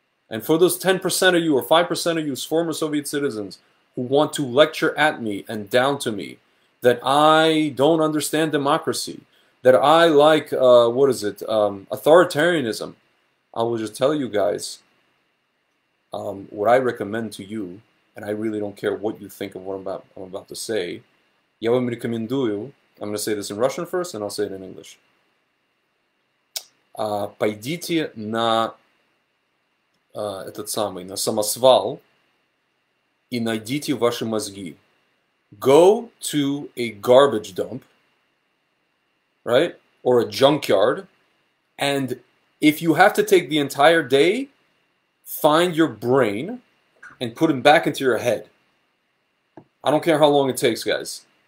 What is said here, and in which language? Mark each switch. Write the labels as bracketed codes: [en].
[en] And for those 10% of you or 5% of you former Soviet citizens who want to lecture at me and down to me that I don't understand democracy, that I like, what is it, authoritarianism, I will just tell you guys, what I recommend to you, and I really don't care what you think of what I'm about to say, [ru] я вам рекомендую, [en] I'm going to say this in Russian first, and I'll say it in English. [ru] Пойдите на этот самый, на самосвал, и найдите ваши мозги. [en] Go to a garbage dump, right, or a junkyard, and if you have to take the entire day, find your brain and put it back into your head. I don't care how long it takes, guys.